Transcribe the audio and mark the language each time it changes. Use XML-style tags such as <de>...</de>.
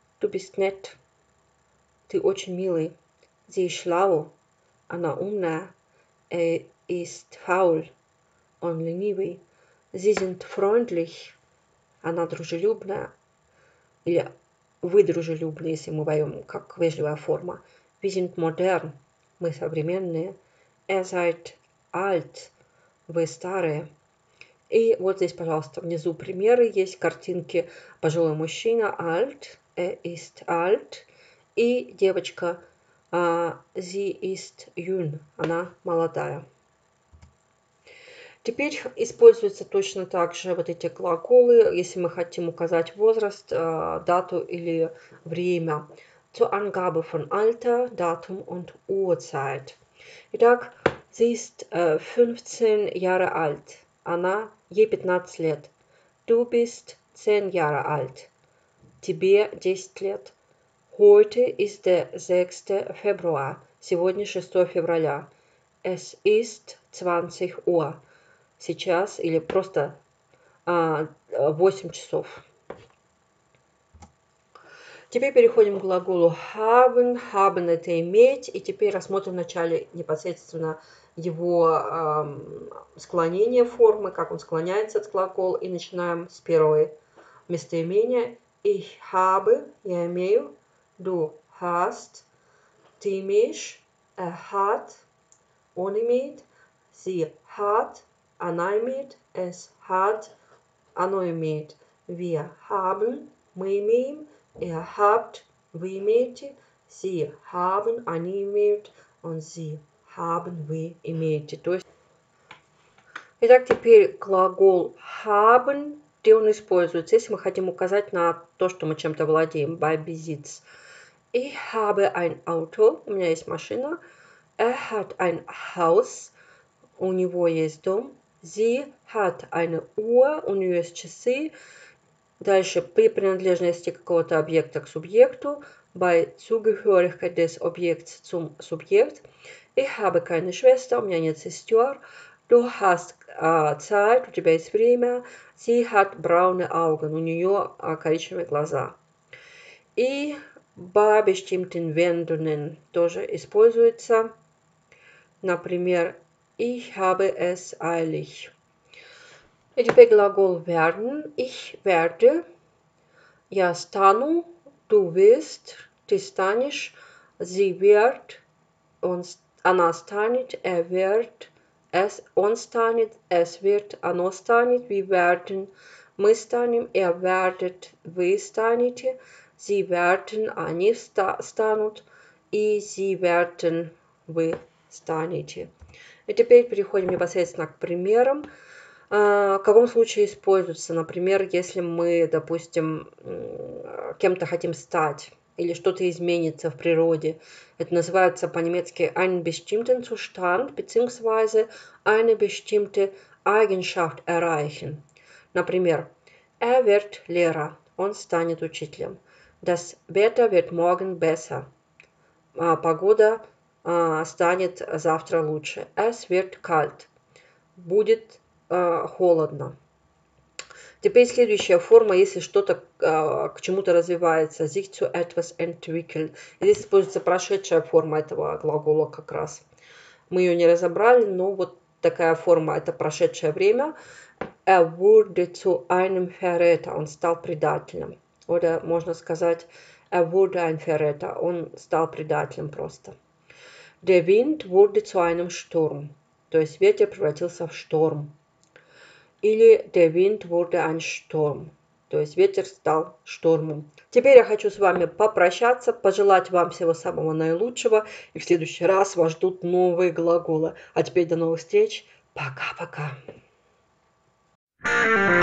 <de>Du bist nett.</de> <ru>Ты очень милый.</ru> <de>Sie schlau.</de> <ru>Она умная.</ru> <de>Ist faul.</de> <ru>Он ленивый.</ru> <de>Sie sind freundlich.</de> <ru>Она дружелюбная. Или вы дружелюбны, если мы воем как вежливая форма.</ru> <de>Wir sind modern.</de> <ru>Мы современные.</ru> <de>Ihr seid alt,</de> <ru>вы старые. И вот здесь, пожалуйста, внизу примеры есть, картинки. Пожилой мужчина, alt,</ru> <de>ist alt.</de> <ru>И девочка,</ru> <de>sie ist jung,</de> <ru>она молодая. Теперь используются точно так же вот эти глаголы, если мы хотим указать возраст, дату или время.</ru> <de>Zur Angabe von Alter, Datum und Uhrzeit. Итак, sie ist 15 Jahre alt.</de> <ru>Она, ей 15 лет.</ru> <de>Du bist 10 Jahre alt.</de> <ru>Тебе 10 лет.</ru> <de>Heute ist der 6. Februar.</de> <ru>Сегодня 6 февраля.</ru> <de>Es ist 20 Uhr.</de> <ru>Сейчас или просто 8 часов. Теперь переходим к глаголу haben. Haben – это иметь. И теперь рассмотрим вначале непосредственно его склонение формы, как он склоняется, этот глагол. И начинаем с первого местоимения.</ru> <de>Ich habe</de> <ru>– я имею.</ru> <de>Du hast.</de> <ru>Ты имеешь.</ru> <de>Er hat</de> <ru>– он имеет.</ru> <de>Sie hat</de> <ru>– она имеет.</ru> <de>Es hat</de> <ru>– оно имеет.</ru> <de>Wir haben</de> <ru>– мы имеем.</ru> <de>Ihr habt,</de> <ru>вы имеете,</ru> <de>sie haben,</de> <ru>они имеют,</ru> <de>und sie haben, вы имеете.</de> <ru>То есть... Итак, теперь глагол haben, где он используется, если мы хотим указать на то, что мы чем-то владеем,</ru> <de>bei Besitz. Ich habe ein Auto,</de> <ru>у меня есть машина.</ru> <de>Er hat ein Haus,</de> <ru>у него есть дом.</ru> <de>Sie hat eine Uhr,</de> <ru>у нее есть часы. Дальше, при принадлежности какого-то объекта к субъекту.</ru> <de>By Zugehörigkeit des Objekts zum Subjekt. Ich habe keine Schwester,</de> <ru>у меня нет сестер.</ru> <de>Du hast Zeit,</de> <ru>у тебя есть время.</ru> <de>Sie hat braune Augen,</de> <ru>у нее коричневые глаза. И</ru> <de>bei bestimmten Wendungen</de> <ru>тоже используется.</ru> <de>Например, ich habe es eilig.</de> <ru>И теперь глагол werden.</ru> <de>Ich werde.</de> <ru>Я стану.</ru> <de>Du wirst.</de> <ru>Ты станешь.</ru> <de>Sie wird.</de> <ru>Он, она станет.</ru> <de>Er wird.</de> <ru>Es, он станет.</ru> <de>Es wird.</de> <ru>Оно станет.</ru> <de>Wir werden.</de> <ru>Мы станем.</ru> <de>Er werdet.</de> <ru>Вы станете.</ru> <de>Sie werden.</de> <ru>Они станут. И</ru> <de>sie werden.</de> <ru>Вы станете. И теперь переходим непосредственно к примерам. В каком случае используется, например, если мы, допустим, кем-то хотим стать, или что-то изменится в природе. Это называется по-немецки</ru> <de>«ein bestimmten Zustand» beziehungsweise «eine bestimmte Eigenschaft erreichen».</de> <ru>Например,</ru> <de>«er wird Lehrer»</de> <ru>– он станет учителем.</ru> <de>«Das Wetter wird morgen besser» –</de> <ru>погода станет завтра лучше.</ru> <de>«Es wird kalt» –</de> <ru>будет холодно. Теперь следующая форма, если что-то к чему-то развивается.</ru> <de>Sich zu etwas entwickeln.</de> <ru>Здесь используется прошедшая форма этого глагола как раз. Мы ее не разобрали, но вот такая форма, это прошедшее время.</ru> <de>Er wurde zu einem Verräter.</de> <ru>Он стал предателем.</ru> <de>Oder</de> <ru>можно сказать</ru> <de>er wurde ein Verräter.</de> <ru>Он стал предателем просто.</ru> <de>Der Wind wurde zu einem Sturm.</de> <ru>То есть ветер превратился в шторм.</ru> <de>Или der Wind wurde ein Sturm.</de> <ru>То есть ветер стал штормом. Теперь я хочу с вами попрощаться, пожелать вам всего самого наилучшего. И в следующий раз вас ждут новые глаголы. А теперь до новых встреч. Пока-пока.</ru>